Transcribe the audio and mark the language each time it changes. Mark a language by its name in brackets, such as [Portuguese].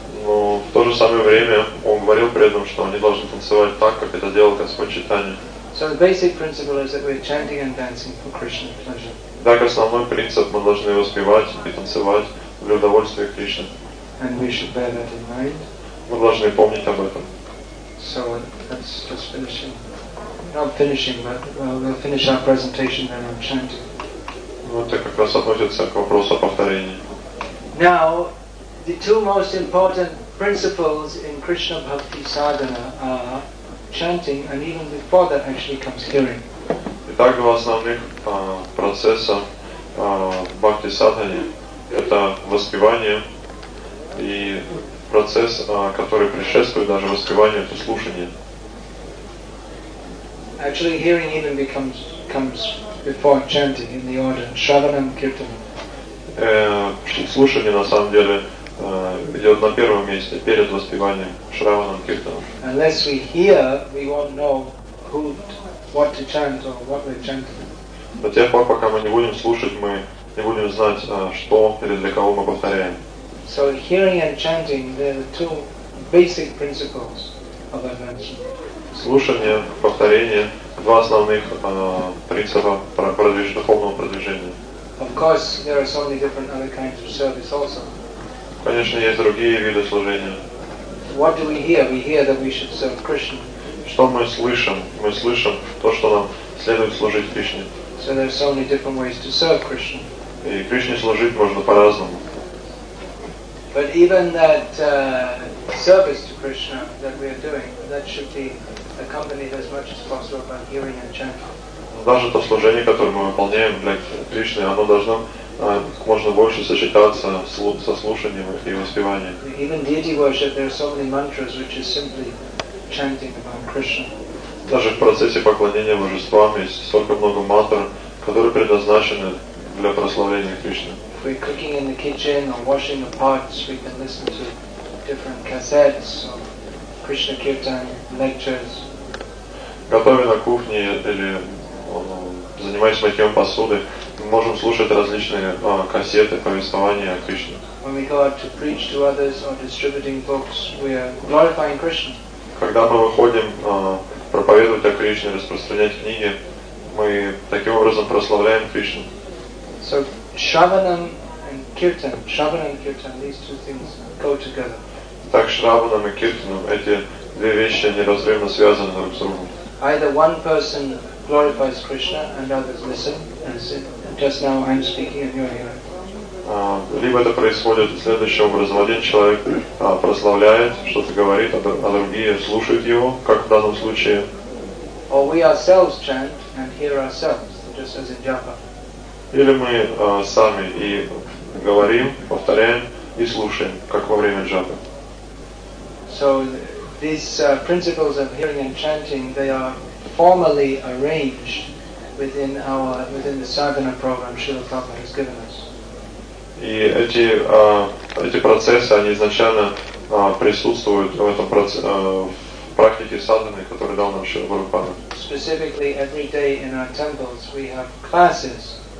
[Russian] Но в то же самое время он говорил преданным, что они должны танцевать так, как это делал Господь Чайтанья. [English] So the basic principle is that we're chanting and dancing for Krishna's pleasure. [Russian] Так основной принцип — мы должны воспевать и танцевать для удовольствия Кришны. [English] And we should bear that in mind. [Russian] Мы должны помнить об этом. [English] So that's just finishing. Not finishing, but we'll finish our presentation then on chanting. [Russian] это как раз относится к вопросу о повторении. [English] Now, the two most important principles in Krishna Bhakti Sadhana are chanting, and even before that actually comes hearing. [Russian] Итак, два основных процесса Бхакти Садхане – это воспевание и процесс, который предшествует даже воспеванию, это слушание. [English] Actually, hearing even comes before chanting in the order Shravanam Kirtanam. [Russian] Слушание, на самом деле, идет на первом месте, перед воспеванием Шраванам Киртанам. [English] Unless we hear, we won't know who, what to chant or what we're chanting. [Russian] До тех пор, пока мы не будем слушать, мы не будем знать, что или для кого мы повторяем. [English] So hearing and chanting, they're the two basic principles of advancement. [Russian] Слушание, повторение – два основных принципа духовного продвижения. [English] Of course, there are so many different other kinds of service also. [Russian] Конечно, есть другие виды служения. [English] What do we hear? We hear that we should serve Krishna. [Russian] Что мы слышим? Мы слышим то, что нам следует служить Кришне. [English] So there are so many different ways to serve Krishna. [Russian] И Кришне служить можно по-разному. [English] But even that service to Krishna that we are doing, that should be accompanied as much as possible by hearing and chanting. [Russian] Даже то служение, которое мы выполняем для Кришны, оно должно как можно больше сочетаться со слушанием и воспеванием. [English] Even deity worship, there are so many mantras which is simply chanting about Krishna. [Russian] Даже в процессе поклонения божествам есть столько много мантр, которые предназначены для прославления Кришны. [English] If we're cooking in the kitchen or washing the pots, we can listen to different cassettes or Krishna Kirtan lectures. [Russian] Готовя на кухне или занимаясь мытьем посуды, мы можем слушать различные кассеты, повествования о Кришне. [English] When we go out to preach to others or distributing books, we are glorifying Krishna. [Russian] Когда мы выходим проповедовать о Кришне, распространять книги, мы таким образом прославляем Кришну. [English] So, Shravanam and Kirtan. Shravanam and Kirtan, these two things go together. [Russian] Так Shravanam и Kirtanam, эти две вещи неразрывно связаны друг с другом. [English] Either one person glorifies Krishna and others listen and sit. Just now I'm speaking and you're hearing. [Russian] Либо это происходит следующим образом. Один человек прославляет, что-то говорит, а другие слушают его, как в данном случае. [English] Or we ourselves chant and hear ourselves, just as in Japa. [Russian] Или мы сами и говорим, повторяем и слушаем, как во время джапы. [English] So these principles of hearing and chanting, they are formally arranged within the sadhana program Srila Prabhupada has given us. [Russian] И эти процессы, они изначально присутствуют в этом практике садханы, который дал нам Шрила Прабхупада. [English] Specifically, every day in our temples we have classes.